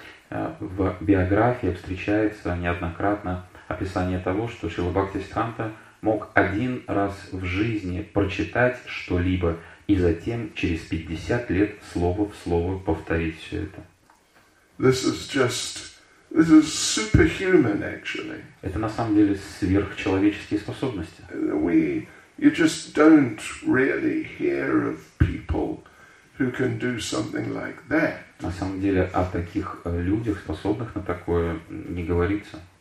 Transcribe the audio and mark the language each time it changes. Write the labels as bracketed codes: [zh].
[ru] В биографии встречается неоднократно описание того, что Шрила Бхактисиддханта мог один раз в жизни прочитать что-либо И затем через 50 лет слово в слово повторить все это. [en] This is just, this is superhuman, actually. [ru] Это на самом деле сверхчеловеческие способности. [en] We, you just don't really hear of people who can do something like that. [ru] На самом деле о таких людях, способных на такое, не говорится.